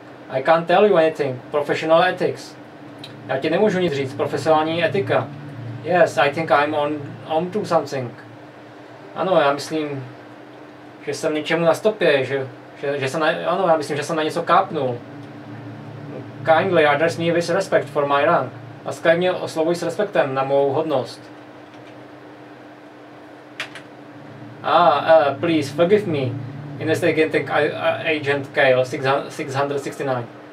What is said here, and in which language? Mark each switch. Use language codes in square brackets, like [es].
[en] I can't tell you anything. Professional ethics. [cs] Já ti nemůžu nic říct. Profesionální etika. [en] Yes, I think I'm on to something. [cs] Ano, já myslím, že jsem něčemu na stopě, že jsem na, ano, já myslím, že jsem na něco kápnul. [en] Kindly address me with respect for my rank. [cs] A skvěle mě oslovuj s respektem na mou hodnost. [en] Please forgive me, investigating agent Kale, 669.